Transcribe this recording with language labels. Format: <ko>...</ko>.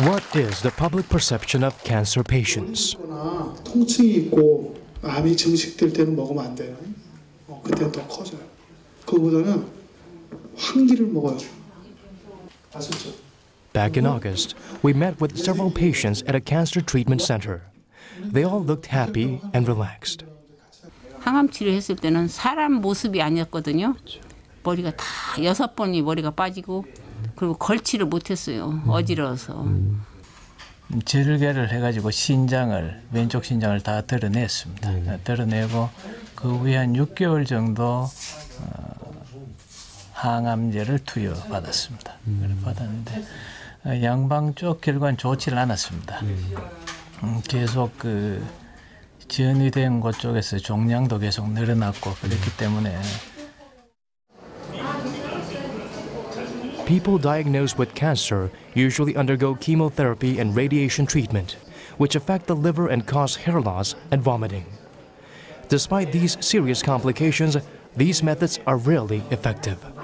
<en>What is the public perception of cancer patients?</en> <ko>통증이 있고 암이 증식될 때는 먹으면 안 돼요. 그때는 더 커져요. 그거보다는 황기를 먹어요. 아셨죠?</ko> <en>Back in August, we met with several patients at a cancer treatment center. They all looked happy and relaxed.</en> <ko>항암 치료했을 때는 사람 모습이 아니었거든요. 머리가 다 여섯 번이 머리가 빠지고 그리고 걸치를 못했어요. 어지러워서. 재를개를 해가지고 신장을 왼쪽 신장을 다 드러냈습니다. 드러내고 그 후에 한 6개월 정도 항암제를 투여받았습니다. 받았는데 양방 쪽 결과는 좋지를 않았습니다. 계속 그 전이된 곳 쪽에서 종양도 계속 늘어났고 그랬기 때문에.</ko> <en>People diagnosed with cancer usually undergo chemotherapy and radiation treatment, which affect the liver and cause hair loss and vomiting. Despite these serious complications, these methods are rarely effective.</en>